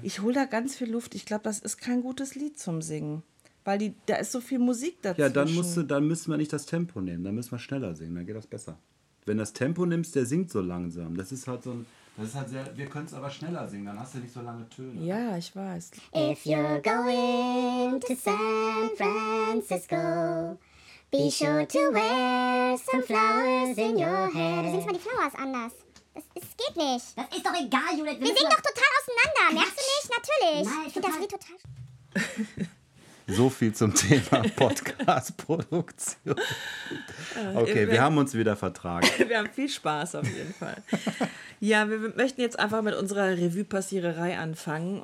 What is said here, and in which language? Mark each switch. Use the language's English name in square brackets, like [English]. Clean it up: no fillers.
[German] Ich hole da ganz viel Luft. Ich glaube, das ist kein gutes Lied zum Singen. Weil da ist so viel Musik dazwischen. Ja, dann müssen wir nicht das Tempo nehmen. Dann müssen wir schneller singen. Dann geht das besser. Wenn das Tempo nimmst, der singt so langsam. Das ist halt so ein. Das ist halt sehr. Wir können es aber schneller singen. Dann hast du nicht so lange Töne. Ja, ich weiß. [English] If you're going to San Francisco, be sure to wear some flowers in your hair. [German] Du singst mal die Flowers anders. Das geht nicht. Das ist doch egal, Judith. Wir singen doch total auseinander. Merkst du nicht? Natürlich. Nein, ich finde das wie total. So viel zum Thema Podcast-Produktion. Okay, wir haben uns wieder vertragen. Wir haben viel Spaß auf jeden Fall. Ja, wir möchten jetzt einfach mit unserer Revue-Passiererei anfangen.